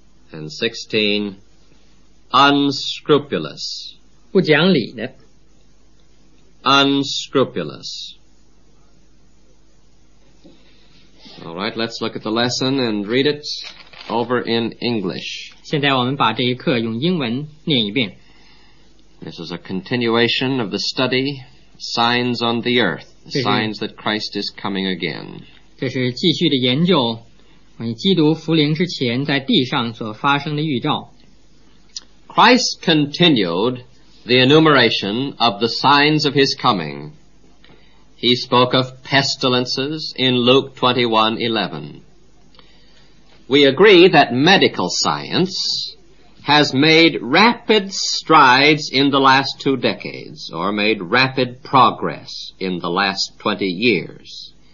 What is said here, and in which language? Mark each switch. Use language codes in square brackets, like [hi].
[en] And 16. Unscrupulous. [zh] 不讲理的。 [en] Unscrupulous. All right, let's look at the lesson and read it over in English. [zh] 现在我们把这一课用英文念一遍。 [en] This is a continuation of the study, Signs on the Earth, Signs that Christ is Coming Again. [zh] 这是继续的研究关于基督复临之前在地上所发生的预兆。 [en] Christ continued the enumeration of the signs of his coming. He spoke of pestilences in Luke 21:11. We agree that medical science has made rapid strides in the last 2 decades, or made rapid progress in the last 20 years.